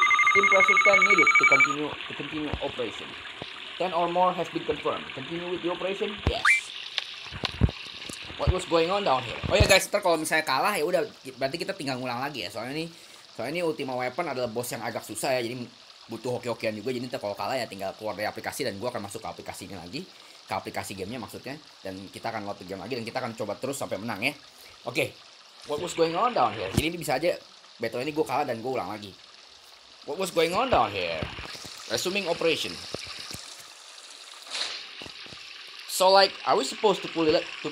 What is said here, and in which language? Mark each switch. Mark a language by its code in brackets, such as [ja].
[en] Steam Prosultan needed to continue operation. 10 or more has been confirmed. Continue with the operation? Yes. What was going on down here? [id] Oh ya guys, ntar kalau misalnya kalah ya udah berarti kita tinggal ngulang lagi ya. Soalnya ini Ultima Weapon adalah boss yang agak susah ya. Jadi butuh hoki-hokian juga, jadi kalau kalah ya tinggal keluar dari aplikasi dan gue akan masuk ke aplikasinya lagi, ke aplikasi gamenya maksudnya, dan kita akan load game lagi dan kita akan coba terus sampai menang ya. Oke, okay. [en] What was going on down here? [id] Jadi ini bisa aja battle ini gue kalah dan gue ulang lagi. [en] What was going on down here? Resuming operation. So like, are we supposed to pull it up?